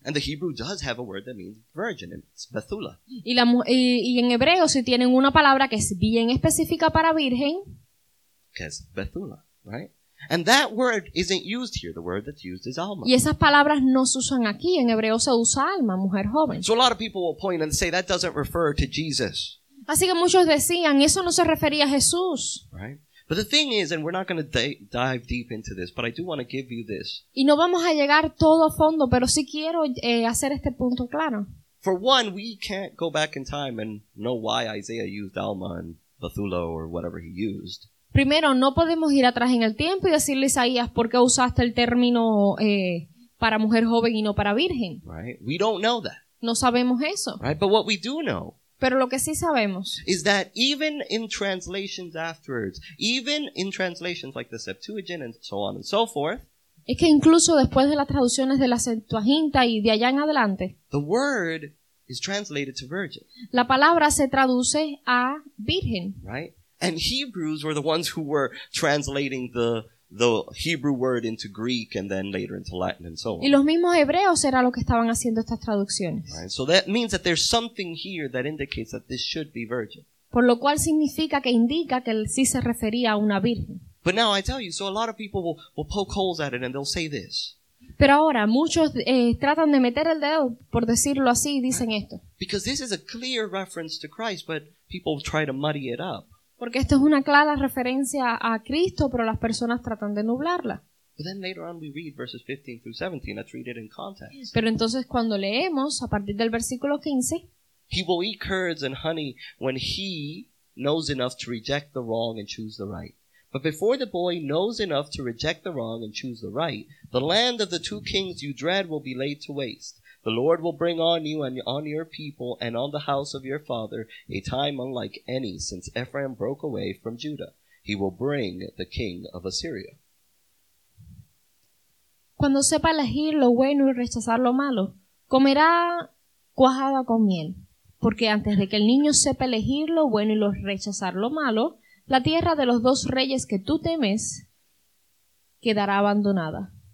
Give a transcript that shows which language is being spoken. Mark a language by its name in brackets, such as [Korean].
[English] And the Hebrew does have a word that means virgin, it's Bethula. [Spanish] Y en hebreo si tienen una palabra que es bien específica para virgen, que es Bethula, [English] right? And that word isn't used here. The word that's used is alma. [Spanish] Y esas palabras no se usan aquí. En hebreo se usa alma, mujer joven. [English] So a lot of people will point and say that doesn't refer to Jesus. [Spanish] Así que muchos decían, eso no se refería a Jesús. [English] Right? But the thing is, and we're not going to dive deep into this, but I do want to give you this. [Spanish] Y no vamos a llegar todo a fondo, pero sí quiero hacer este punto claro. [English] For one, we can't go back in time and know why Isaiah used alma and Bethula or whatever he used. [Spanish] Primero, no podemos ir atrás en el tiempo y decirle a Isaías por qué usaste el término para mujer joven y no para virgen. [English] Right. We don't know that. [Spanish] No sabemos eso. [English] Right. But what we do know, [Spanish] pero lo que sí sabemos [English] is that even in translations afterwards, even in translations like the Septuagint and so on and so forth, [Spanish] es que incluso después de las traducciones de la Septuaginta y de allá en adelante, [English] the word is translated to virgin. [Spanish] La palabra se traduce a virgen. [English] Right. And Hebrews were the ones who were translating the Hebrew word into Greek and then later into Latin and so on. [Spanish] Y los mismos hebreos eran los que estaban haciendo estas traducciones. [English] Right, so that means that there's something here that indicates that this should be virgin. [Spanish] Por lo cual significa que indica que él sí se refería a una virgen. [English] But now I tell you, so a lot of people will poke holes at it and they'll say this. [Spanish] Pero ahora muchos tratan de meter el dedo, por decirlo así, dicen esto. [English] Because this is a clear reference to Christ, but people try to muddy it up. [Spanish] Porque esto es una clara referencia a Cristo, pero las personas tratan de nublarla. [English] But then later on we read verses 15 through 17. Let's read it in context. [Spanish] Pero entonces cuando leemos a partir del versículo 15, [English] he will eat curds and honey when he knows enough to reject the wrong and choose the right. But before the boy knows enough to reject the wrong and choose the right, the land of the two kings you dread will be laid to waste. The Lord will bring on you and on your people and on the house of your father a time unlike any since Ephraim broke away from Judah. He will bring the king of Assyria. [Spanish] Cuando sepa elegir lo bueno y rechazar lo malo, comerá cuajada con miel. Porque antes de que el niño sepa elegir lo bueno y lo rechazar lo malo, la tierra de los dos reyes que tú temes quedará abandonada.